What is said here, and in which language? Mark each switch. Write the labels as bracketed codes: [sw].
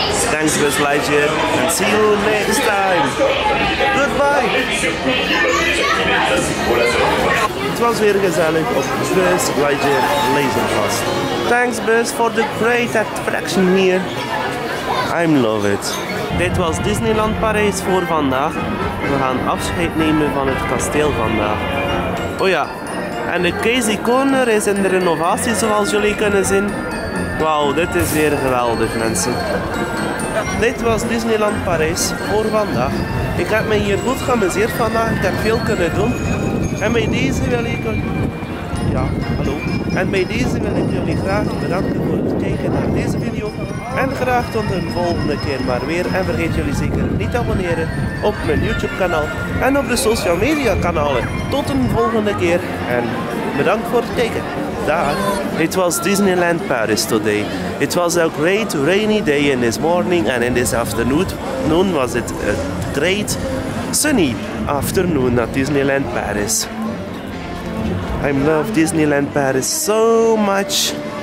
[en] Thanks for slide here and see you next time. Goodbye. [nl] Het was weer gezellig op Buzz Lightyear Laser Blast. [en] Thanks Buzz for the great attraction here. I love it. [nl] Dit was Disneyland Parijs voor vandaag. We gaan afscheid nemen van het kasteel vandaag. Oh ja, en de Crazy Corner is in de renovatie zoals jullie kunnen zien. Wauw, dit is weer geweldig mensen. Dit was Disneyland Parijs voor vandaag. Ik heb me hier goed geamuseerd vandaag. Ik heb veel kunnen doen. En bij deze wil ik... Ja, hallo. En bij deze wil ik jullie graag bedanken voor het kijken naar deze video. En graag tot een volgende keer maar weer. En vergeet jullie zeker niet te abonneren op mijn YouTube-kanaal en op de social media-kanalen. Tot een volgende keer en bedankt voor het kijken. Daar. [en] It was Disneyland Paris today. It was a great rainy day in this morning and in this afternoon. Noon was it a great sunny afternoon at Disneyland Paris. I love Disneyland Paris so much.